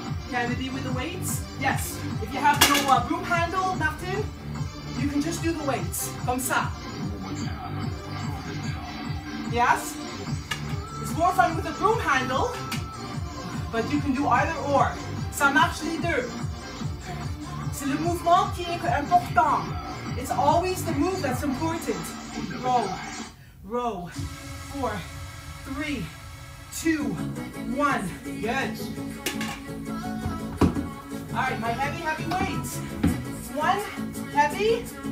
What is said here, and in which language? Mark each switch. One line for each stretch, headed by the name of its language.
English: Can it be with the weights? Yes. If you have no broom handle, nothing, you can just do the weights.
French: Comme ça.
English: Yes? is more fun with a broom handle, but you can do either or.
French: Ça marche les deux. C'est le mouvement qui est important.
English: It's always the move that's important. Row, row, four, three, two, one. Good. All right, my heavy, heavy weights. One heavy.